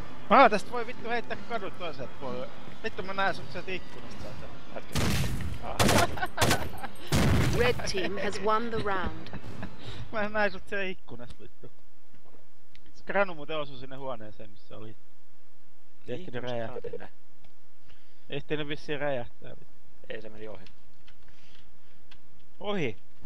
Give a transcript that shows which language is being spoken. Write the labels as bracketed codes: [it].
[fi] Ah, tästä voi vittu heittää kadun toiset puolelle. Vittu mä näen sut sieltä ikkunasta saatana. [en] Red team has won the round. [fi] Mä näen sut sieltä ikkunasta vittu. Granu muuten osui sinne huoneeseen missä oli. Ehtinyt räjähtää. Ehtinyt vissiin räjähtää vittu. Ei se meni ohi. Ohi?